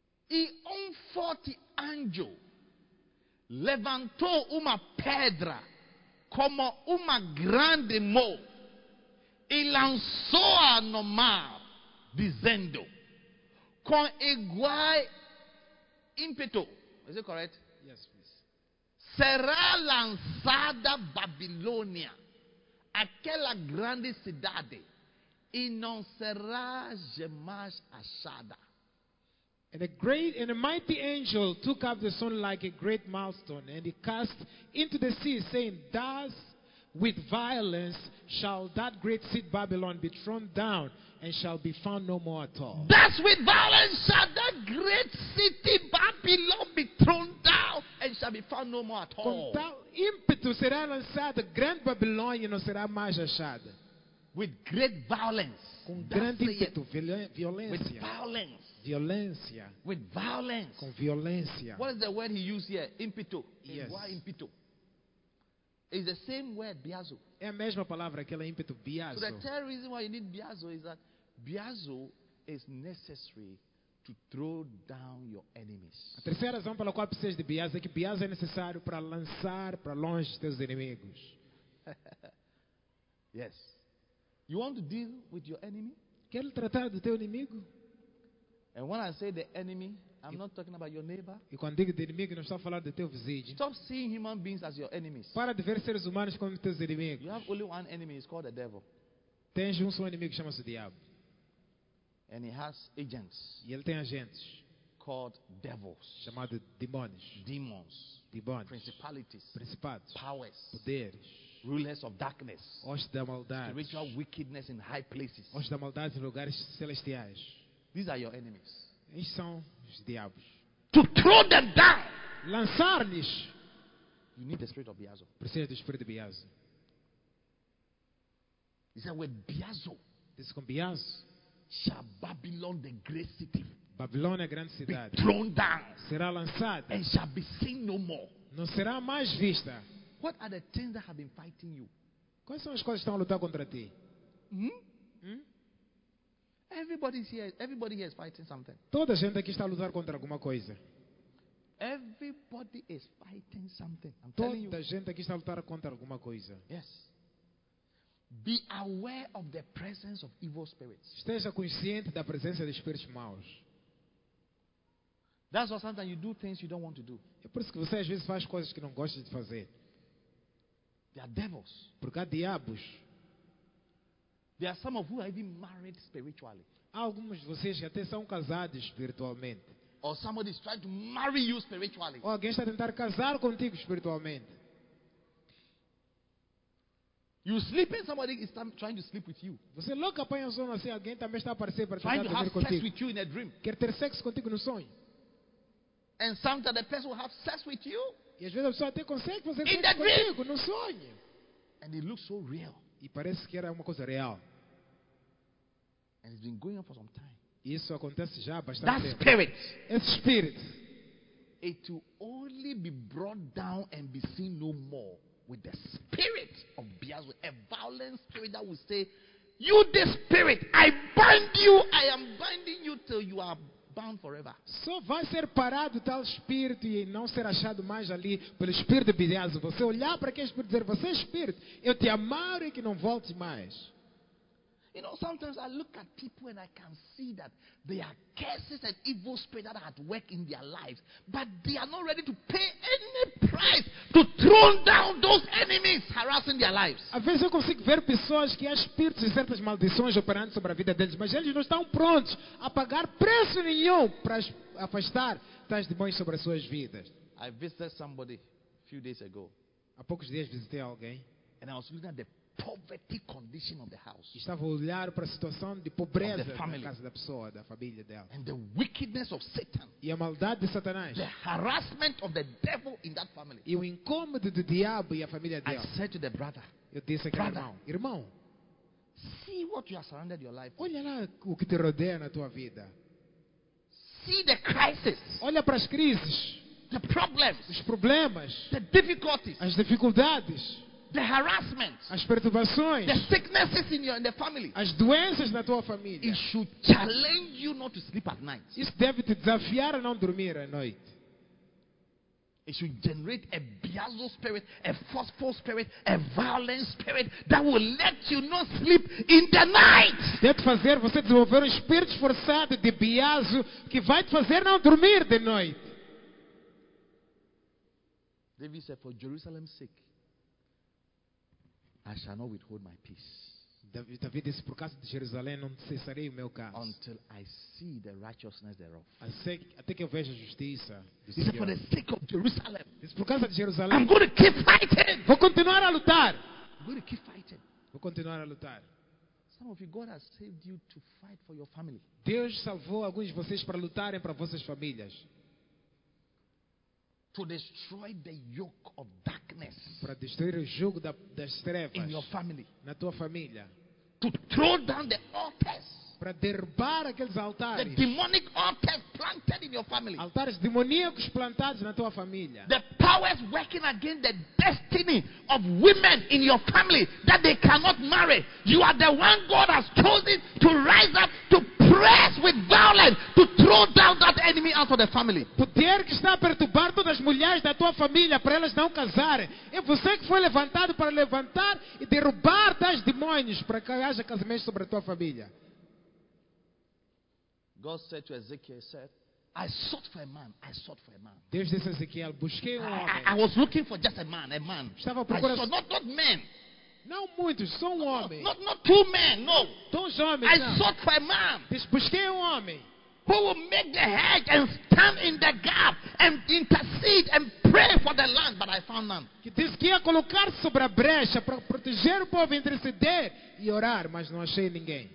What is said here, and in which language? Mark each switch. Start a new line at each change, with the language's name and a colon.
Portuguese: E um forte anjo levantou uma pedra como uma grande mão e lançou-a no mar, dizendo com igual ímpeto.
English: Is it correct? Yes, please.
Portuguese: Será lançada Babilônia, aquela grande cidade, e não será jamais achada.
English: And a mighty angel took up the stone like a great millstone, and he cast into the sea, saying, thus with violence shall that great city Babylon be thrown down, and shall be found no more at all. Thus with violence shall that great city Babylon be thrown down, and shall be found no more at all.
Portuguese: Com tal ímpeto será lançada grande Babilônia, não será mais achada.
English: With great violence.
Portuguese: Com grande ímpeto, violência.
English: With violence.
Portuguese: Violência.
English: With violence.
Portuguese: Com violência.
English: What is the word he used here? Impeto. Yes. Igual impeto. It's the same word, biazo.
Portuguese: É a mesma palavra, aquela ímpeto, biazo.
English: So the third reason why you need biazo is that biazo is necessary to throw down your enemies.
Portuguese: A terceira razão pela qual precisas de biazo é que biazo é necessário para lançar para longe teus inimigos.
English: Yes. You want to deal with your enemy?
Portuguese: Quer tratar do teu inimigo?
English: And when I say the enemy, I'm not talking about your neighbor.
Portuguese: E quando digo de inimigo, não estou a falar do teu vizinho.
English: Stop seeing human beings as your enemies.
Portuguese: Para de ver seres humanos como teus inimigos.
English: You have only one enemy, it's called the devil.
Portuguese: Tens um só inimigo que chama-se diabo.
English: And he has agents.
Portuguese: E ele tem agentes.
English: Called devils.
Portuguese: Chamado demônios.
English: Demons.
Portuguese: Demônios.
English: Principalities.
Portuguese: Principados.
English: Powers.
Portuguese: Poderes.
English: Rulers of darkness.
Portuguese: Os da maldade.
English: Spiritual wickedness in high places.
Portuguese: Os da maldade em lugares celestiais.
English: These are your enemies.
Portuguese: Eles são os diabos.
English: To throw them down.
Portuguese: Lançar-lhes.
English: You need the spirit of Biazo.
Portuguese: Precisa do espírito de Biazo.
English: Is that with Biazo? This is
Portuguese: com
English: Biazo. Shall Babylon, the great city,
Portuguese: Babilônia, a grande cidade,
English: be thrown down?
Portuguese: Será lançada.
English: And shall be seen no more.
Portuguese: Não será mais vista.
English: What are the things that have been fighting you?
Portuguese: Quais são as coisas que estão a lutar contra ti?
English: Everybody here is fighting something.
Portuguese: Toda gente aqui está a lutar contra alguma coisa.
English: Everybody is fighting something. I'm
Portuguese: Toda
English: telling you.
Portuguese: Gente aqui está a lutar contra alguma coisa.
English: Yes. Be aware of the presence of evil spirits.
Portuguese: Esteja consciente da presença de espíritos maus.
English: That's why sometimes you do things you don't want to do.
Portuguese: É por isso que você às vezes faz coisas que não gosta de fazer.
English: They are devils.
Portuguese: Porque há diabos.
English: There are some of who are even married spiritually.
Portuguese: Alguns de vocês até são casados espiritualmente.
English: Or somebody is trying to marry you spiritually.
Portuguese: Ou alguém está a tentar casar contigo espiritualmente.
English: You sleeping, somebody is trying to sleep with you.
Portuguese: Você louco apanha sono assim, alguém também está a aparecer para
English: trying to have sex
Portuguese: contigo.
English: With you in a dream.
Portuguese: Quer ter sexo contigo no sonho.
English: And sometimes the person will have sex with you.
Portuguese: E às vezes a pessoa até consegue fazer
English: in
Portuguese: sexo contigo no sonho.
English: And it looks so real.
Portuguese: E parece que era uma coisa real.
English: And it's been going on for some time.
Portuguese: Isso acontece já há bastante
English: that That spirit. It's spirit. It will only be brought down and be seen no more. With the spirit of Beelzebub, a violent spirit that will say, you this spirit, I bind you, I am binding you till you are bound forever.
Portuguese: Só vai ser parado tal espírito e não ser achado mais ali pelo espírito de Beelzebub. Você olhar para aquele espírito e dizer, você é espírito, eu te amarei que não volte mais.
English: You know, sometimes I look at people and I can see that they are curses and evil spirits that are at work in their lives, but they are not ready to pay any price to throw down those enemies harassing their lives.
Portuguese: Às vezes eu consigo ver pessoas que há espíritos e certas maldições operando sobre a vida deles, mas eles não estão prontos a pagar preço nenhum para afastar tais demônios sobre as suas vidas.
English: I visited somebody a few days ago.
Portuguese: Há poucos dias visitei alguém.
English: And I was looking at the poverty condition of the house.
Portuguese: Estava a olhar para a situação de pobreza da casa da pessoa, da família dela.
English: And the wickedness of Satan.
Portuguese: E a maldade de Satanás.
English: The harassment of the devil in that family.
Portuguese: E o incômodo do diabo e a família dela.
English: I said to the brother.
Portuguese: Eu disse àquele irmão. Irmão,
English: see what you are surrounded your life.
Portuguese: Olha lá o que te rodeia na tua vida.
English: See the crisis.
Portuguese: Olha para as crises.
English: The problems.
Portuguese: Os problemas.
English: The difficulties.
Portuguese: As dificuldades.
English: The harassment,
Portuguese: as perturbações,
English: the sicknesses in the family,
Portuguese: as doenças na tua família,
English: it should challenge you not to sleep at night.
Portuguese: Isso deve te desafiar a não dormir à noite.
English: It should generate a Beelzebub spirit, a forceful spirit, a violent spirit that will let you not sleep in the night.
Portuguese: Deve fazer você desenvolver espírito forçado de Beelzebub que vai te fazer não dormir de noite.
English: David said, "For Jerusalem's sake." I shall not withhold my peace.
Portuguese: Davi disse, por causa de Jerusalém não cessarei o meu caso.
English: Until I see the righteousness thereof.
Portuguese: Até que eu veja a justiça.
English: He said, for the sake of Jerusalem.
Portuguese: Por causa de Jerusalém.
English: I'm going to keep fighting.
Portuguese: Vou continuar a lutar.
English: I'm going to keep fighting.
Portuguese: Vou continuar a lutar.
English: Some of you, God has saved you to fight for your family.
Portuguese: Deus salvou alguns de vocês para lutarem para vossas famílias.
English: To destroy the yoke of darkness.
Portuguese: Para destruir o jugo das trevas.
English: In your family.
Portuguese: Na tua família.
English: To throw down the altars.
Portuguese: Para derrubar aqueles altares.
English: The demonic altars planted in your family.
Portuguese: Altares demoníacos plantados na tua família.
English: The powers working against the destiny of women in your family that they cannot marry. You are the one God has chosen to rise up to press with violence to throw down that enemy out of the family.
Portuguese: Poder que está a perturbar todas as mulheres da tua família para elas não casarem. É você que foi levantado para levantar e derrubar tais demônios para que haja casamento sobre a tua família.
English: God said to Ezekiel, said, I sought for a man. I sought for a man.
Portuguese: Deus disse a Ezequiel, busquei homem.
English: I was looking for just a man. A man.
Portuguese: Estava procurando.
English: Not men.
Portuguese: Não muitos, só homem.
English: Not two men. No.
Portuguese: Dois homens.
English: I sought for a man.
Portuguese: Busquei homem.
English: Who will make the hedge and stand in the gap and intercede and pray for the land? But I found none.
Portuguese: Que disse que ia colocar sobre a brecha para proteger o povo, interceder e orar, mas não achei ninguém.